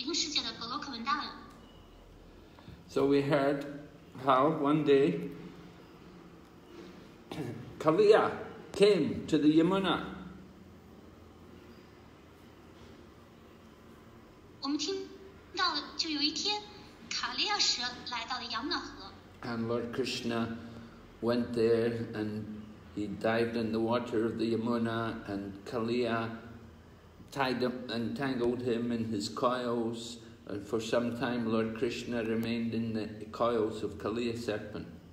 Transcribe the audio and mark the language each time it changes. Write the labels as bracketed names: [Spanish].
[Chinese] 我们一直在讲述的是高尔德山的一个牧牛童，他的旅程，他旅行到了灵性世界，他去了灵性世界的格罗克文达文。 [English] So we heard how one day Kaliya came to the Yamuna. [Chinese] 我们听到就有一天，卡利亚蛇来到了杨木河。 [English] And Lord Krishna went there and he dived in the water of the Yamuna and Kaliya tied him and tangled him in his coils, and for some time Lord Krishna remained in the coils of Kaliya serpent.